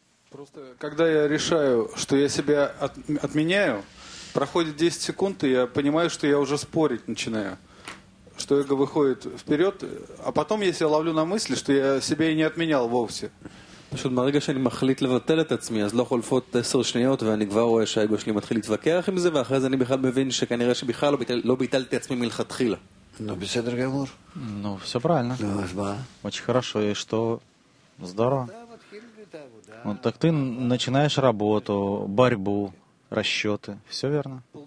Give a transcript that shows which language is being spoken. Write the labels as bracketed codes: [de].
[ru] Просто когда я решаю, что я себя отменяю, проходит 10 секунд, и я понимаю, что я уже спорить начинаю, что эго выходит вперед, а потом я себя ловлю на мысли, что я себя и не отменял вовсе. [he] פשוט מרגע שאני מחליט לבטל את עצמי, אז לא חולפות 10 שניות, ואני כבר רואה שהאגו שלי מתחיל להתווכח עם זה, ואחרי זה אני בכלל מבין שכנראה שבכלל לא ביטלתי עצמי מלכתחילה. נו, בסדר גמור. נו, [ru] все правильно. [he] נו, אז מה? [ru] очень хорошо, и что? Здорово. Ну, так ты начинаешь работу, борьбу, расчеты. Все верно.